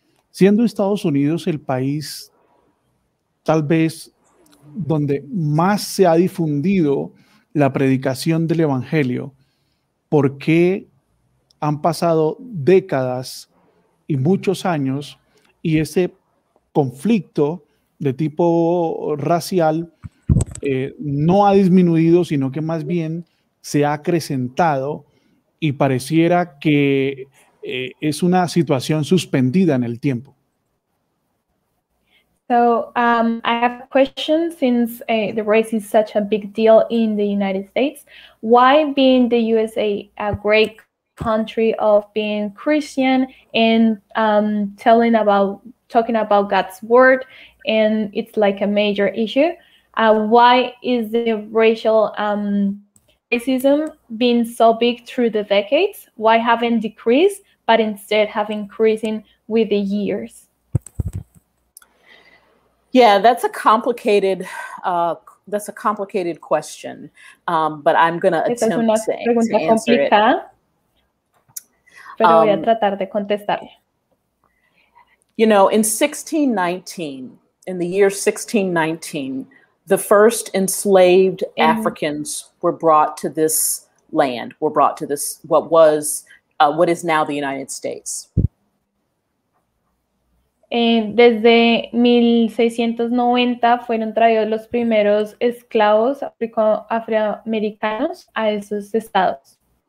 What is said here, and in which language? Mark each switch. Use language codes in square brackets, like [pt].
[es] Siendo Estados Unidos el país tal vez donde más se ha difundido la predicación del Evangelio, ¿por qué han pasado décadas y muchos años y ese conflicto de tipo racial no ha disminuido, sino que más bien se ha acrecentado y pareciera que es una situación suspendida en el tiempo? [en] So I have a question, since the race is such a big deal in the United States, why being the USA a great country of being Christian and talking about God's word, and it's like a major issue, why is the racial racism being so big through the decades? Why haven't decreased, but instead have increasing with the years? Yeah, that's a complicated question, but I'm going to attempt to answer [es] complicada. [en] It. [es] Pero voy a tratar de contestarle. [en] You know, in the year 1619, the first enslaved Africans were brought to this land, were brought to this what is now the United States. [es] Desde 1690 fueron traídos los primeros esclavos afroamericanos a esos estados.